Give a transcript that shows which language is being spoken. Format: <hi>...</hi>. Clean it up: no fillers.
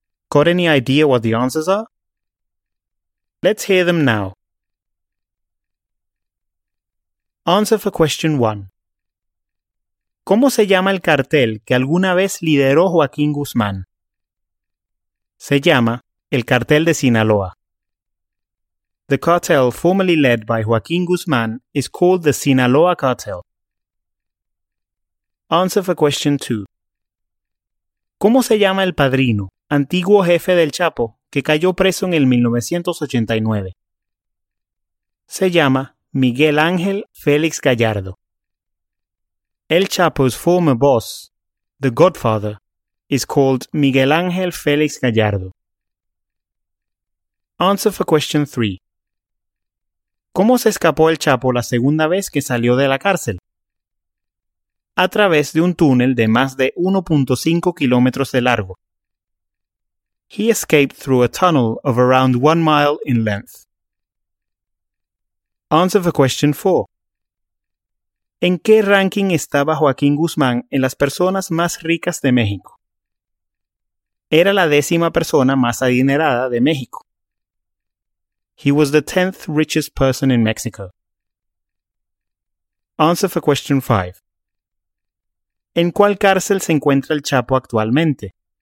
<en>Got any idea what the answers are? Let's hear them now. Answer for question 1.</en> <es>¿Cómo se llama el cartel que alguna vez lideró Joaquín Guzmán? Se llama el Cartel de Sinaloa.</es> <en>The cartel formerly led by Joaquín Guzmán is called the Sinaloa Cartel. Answer for question 2.</en> <es>¿Cómo se llama el padrino, antiguo jefe del Chapo, que cayó preso en el 1989? Se llama Miguel Ángel Félix Gallardo.</es> <en>El Chapo's former boss, the Godfather, is called Miguel Ángel Félix Gallardo. Answer for question 3.</en> <es>¿Cómo se escapó el Chapo la segunda vez que salió de la cárcel? A través de un túnel de más de 1.5 kilómetros de largo.</es> <en>He escaped through a tunnel of around 1 mile in length. Answer for question 4.</en> <es>¿En qué ranking estaba Joaquín Guzmán en las personas más ricas de México? Era la décima persona más adinerada de México.</es> <en>He was the 10th richest person in Mexico. Answer for question 5.</en> <es>¿En cuál cárcel se encuentra el Chapo actualmente?</es>